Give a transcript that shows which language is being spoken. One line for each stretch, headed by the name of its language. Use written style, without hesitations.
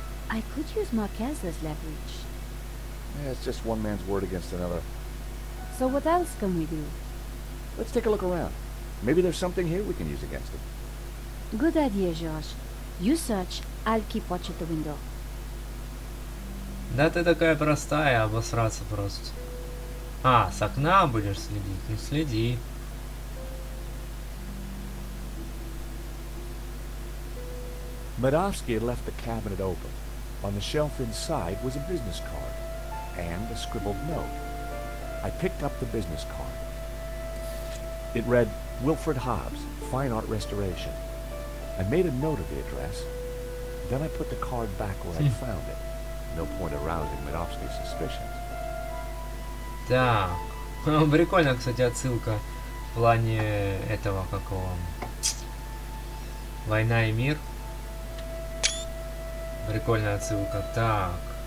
English: I could use Marquez as leverage. Yeah, it's just one man's word against another. So what else can we do? Let's take a look around. Maybe there's something here we can use against him. Good idea, Josh. You search, I'll keep watch at the window.
Russian: Да ты такая простая, обосраться просто. А, с окна будешь следить? Ну следи.
English: Medovsky had left the cabinet open. On the shelf inside was a business card and a scribbled note. I picked up the business card. It read, Wilfred Hobbs, Fine Art Restoration. I made a note of the address. Then I put the card back where I found it. No point arousing Madovsky's suspicions.
Russian: Так, прикольная, кстати, отсылка в плане этого, как его, Война и мир. Прикольная отсылка, так.